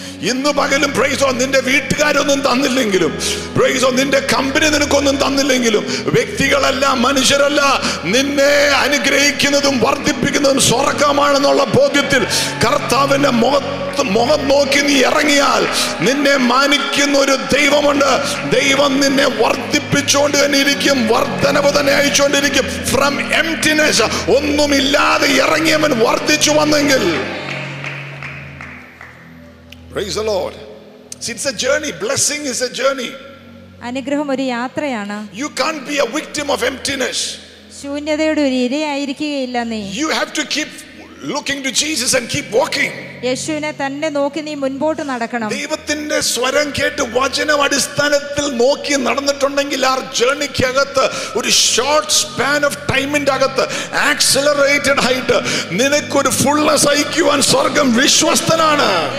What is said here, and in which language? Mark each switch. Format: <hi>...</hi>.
<ml>ഇന്ന് പകലും പ്രൈസോ നിന്റെ വീട്ടുകാരൊന്നും തന്നില്ലെങ്കിലും, പ്രൈസോ നിന്റെ കമ്പനി നിനക്കൊന്നും തന്നില്ലെങ്കിലും, വ്യക്തികളല്ല, മനുഷ്യരല്ല, നിന്നെ അനുഗ്രഹിക്കുന്നതും വർദ്ധിപ്പിക്കുന്നതും സ്വർഗമാണെന്നുള്ള ബോധ്യത്തിൽ കർത്താവിന്റെ മുഖം നോക്കി നീ ഇറങ്ങിയാൽ നിന്നെ മാനിക്കുന്ന ഒരു ദൈവമുണ്ട്. ദൈവം നിന്നെ വർദ്ധിപ്പിച്ചുകൊണ്ട് തന്നെ ഇരിക്കും, വർധനവ് തന്നെ അയച്ചുകൊണ്ടിരിക്കും.</ml> <en>from emptiness,</en> <ml>ഒന്നുമില്ലാതെ ഇറങ്ങിയവൻ വർദ്ധിച്ചു വന്നെങ്കിൽ,</ml> <en>praise the Lord. See, it's a journey. Blessing is a journey.</en> <ml>Anugraham oru yathrayana.</ml> <en>You can't be a victim of emptiness.</en> <ml>Shunyathayude oru ireyayirikkilla nee.</ml> <en>You have to keep looking to Jesus and keep walking.</en> <ml>യേശുവിനെ തന്നെ നോക്കി നീ മുൻപോട്ട് നടക്കണം. ദൈവത്തിന്റെ സ്വരം കേട്ട് വചനം അടിസ്ഥാനത്തിൽ നോക്കി നടന്നിട്ടുണ്ടെങ്കിൽ ആ ജേർണിക്കകത്ത് ഒരു</ml> <en>short span of ടൈമിന്റെ</en> <ml>അകത്ത് ആക്സലറേറ്റഡ് ആയിട്ട് നിനക്കൊരു ഫുൾനെസ് അയക്കുവാൻ സ്വർഗം വിശ്വസ്തനാണ്.</ml>